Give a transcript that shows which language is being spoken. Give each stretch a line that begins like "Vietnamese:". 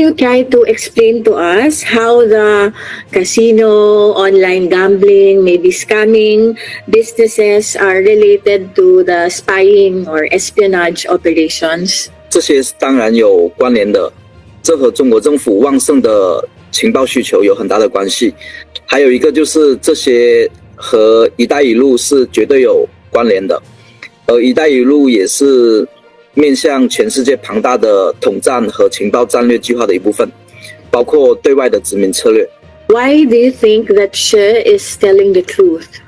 English: Can you try to explain to us how the casino, online gambling, maybe scamming businesses are related to the spying or espionage operations?
Chinese: 这些当然有关联的，这和中国政府旺盛的情报需求有很大的关系。还有一个就是这些和“一带一路”是绝对有关联的，而“一带一路”也是 面向全世界庞大的统战和情报战略计划的一部分，包括对外的殖民策略。
English: Why do you think that she is telling the truth?